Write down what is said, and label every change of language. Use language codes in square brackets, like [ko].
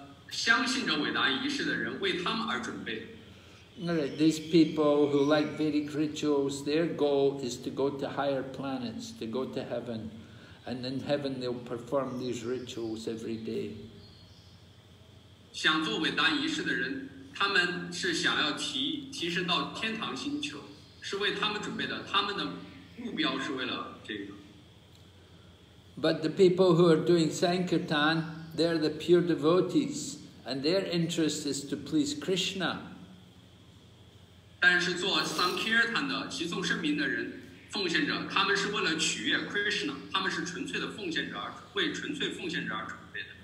[zh] 相信着伟达仪式的人为他们而准备。 [en] These people who like Vedic rituals, their goal is to go to higher planets, to go to heaven, and in heaven they'll perform these rituals every day. [zh] 想做伟达仪式的人，他们是想要提升到天堂星球，是为他们准备的。他们的目标是为了这个。 [en] But the people who are doing Sankirtan, they're the pure devotees, and their interest is to please Krishna. [zh] 但是做 Sankirtan 的齐颂圣名的人奉献者，他们是为了取悦 Krishna， 他们是纯粹的奉献者，为纯粹奉献者而准备的。